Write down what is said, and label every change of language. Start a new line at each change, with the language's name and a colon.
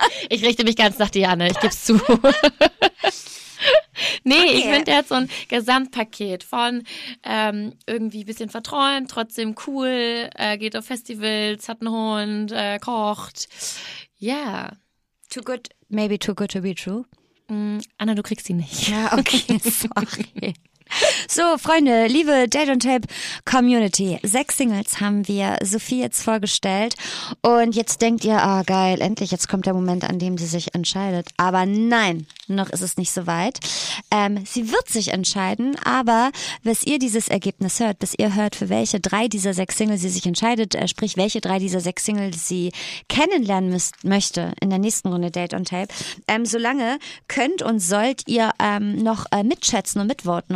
German: Ich richte mich ganz nach Diane, ich gebe es zu. Nee, okay. Ich finde, der hat so ein Gesamtpaket von irgendwie ein bisschen verträumt, trotzdem cool, geht auf Festivals, hat einen Hund, kocht. Ja.
English: Yeah. Too good, maybe too good to be true.
German: Anna, du kriegst ihn nicht. Ja, okay, sorry. So, Freunde, liebe Date on Tape Community, 6 Singles haben wir Sophie jetzt vorgestellt und jetzt denkt ihr, ah, geil, endlich, jetzt kommt der Moment, an dem sie sich entscheidet. Aber nein, noch ist es nicht so weit. Sie wird sich entscheiden, aber bis ihr dieses Ergebnis hört, bis ihr hört, für welche 3 dieser 6 Singles sie sich entscheidet, sprich, welche 3 dieser 6 Singles sie kennenlernen möchte in der nächsten Runde Date on Tape, solange könnt und sollt ihr noch mitschätzen und mitvoten.